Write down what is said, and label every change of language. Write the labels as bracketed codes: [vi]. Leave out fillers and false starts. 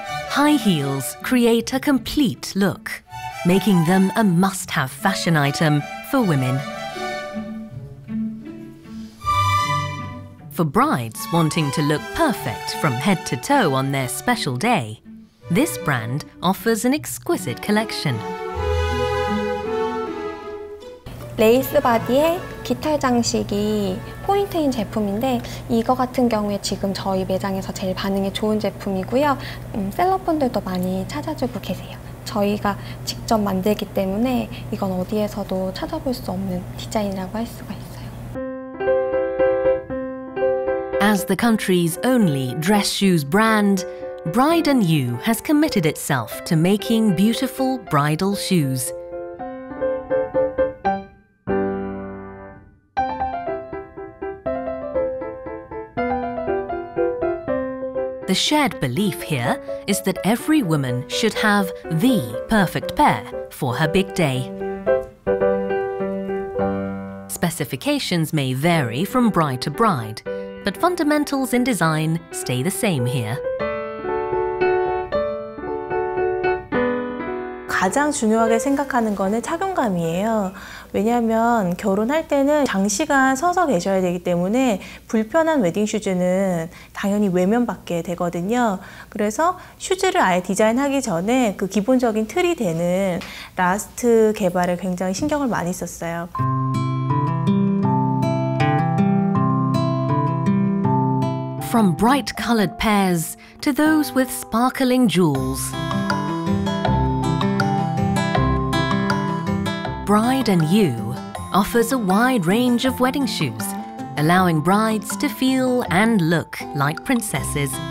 [en] High heels create a complete look, making them a must-have fashion item for women. For brides wanting to look perfect from head to toe on their special day, this brand offers an exquisite collection. [ko] 레이스 바디에 깃털 장식이 포인트인 제품인데 이거 같은 경우에 지금 저희 매장에서 제일 반응이 좋은 제품이고요. 셀럽분들도 많이 찾아주고 계세요. 저희가 직접 만들기 때문에 이건 어디에서도 찾아볼 수 없는 디자인이라고 할 수가 있어요. [en] As the country's only dress shoes brand, Bride & You has committed itself to making beautiful bridal shoes. The shared belief here is that every woman should have the perfect pair for her big day. Specifications may vary from bride to bride, but fundamentals in design stay the same here. [ko] 가장 중요하게 생각하는 거는 착용감이에요. 왜냐하면 결혼할 때는 장시간 서서 계셔야 되기 때문에 불편한 웨딩 슈즈는 당연히 외면 받게 되거든요. 그래서 슈즈를 아예 디자인하기 전에 그 기본적인 틀이 되는 라스트 개발에 굉장히 신경을 많이 썼어요. [en] From bright colored pairs to those with sparkling jewels. Bride & You offers a wide range of wedding shoes, allowing brides to feel and look like princesses.